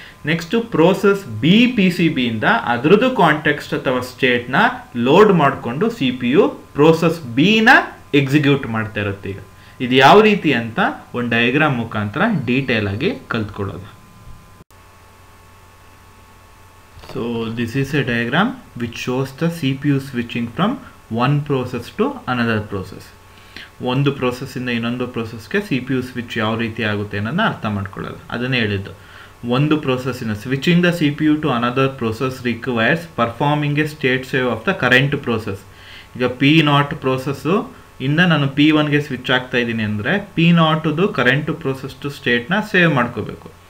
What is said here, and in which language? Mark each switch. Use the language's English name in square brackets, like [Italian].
[Kannada] Next process B P C ಬಿಯಿಂದ ಅದರದ್ದು context ಅಥವಾ ಸ್ಟೇಟ್ನ load ಮಾಡಿಕೊಂಡು C P U process ಬಿನ execute ಮಾಡ್ತಾ ಇರುತ್ತೆ. ಈಗ ಇದು ಯಾವ ರೀತಿ ಅಂತ ಒಂದು ಡಯಾಗ್ರಾಮ್ ಮುಖಾಂತರ ಡೀಟೇಲ್ ಆಗಿ ಕಲ್ತ್ಕೊಳ್ಳೋದು. [English] So this is a diagram which shows the CPU switching from one process to another process. [Kannada] ಒಂದು ಪ್ರೋಸೆಸ್ಸಿಂದ ಇನ್ನೊಂದು ಪ್ರೋಸೆಸ್ಗೆ ಸಿ ಪಿ ಯು ಸ್ವಿಚ್ ಯಾವ ರೀತಿ ಆಗುತ್ತೆ ಅನ್ನೋದನ್ನ ಅರ್ಥ ಮಾಡ್ಕೊಳ್ಳೋದು. ಅದನ್ನೇ ಹೇಳಿದ್ದು, ಒಂದು ಪ್ರೋಸೆಸ್ಸಿನ [English] Switching the C P U to another process requires performing a state save of the current process. [Kannada] ಈಗ ಪಿ ನಾಟ್ ಪ್ರೋಸೆಸ್ಸು ಇಂದ ನಾನು ಪಿ ಒನ್ಗೆ ಸ್ವಿಚ್ ಆಗ್ತಾ ಇದ್ದೀನಿ ಅಂದರೆ P ನಾಟ್ದು current process to ಸ್ಟೇಟ್ನ save ಮಾಡ್ಕೋಬೇಕು.